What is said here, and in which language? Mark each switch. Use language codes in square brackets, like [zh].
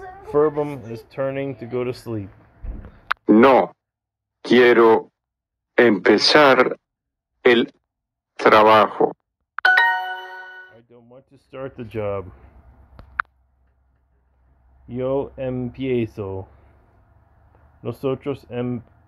[en] Furbum is turning to go to sleep. No. [es] Quiero empezar el trabajo. [en] I don't want to start the job. [es] Yo empiezo. Nosotros empezamos.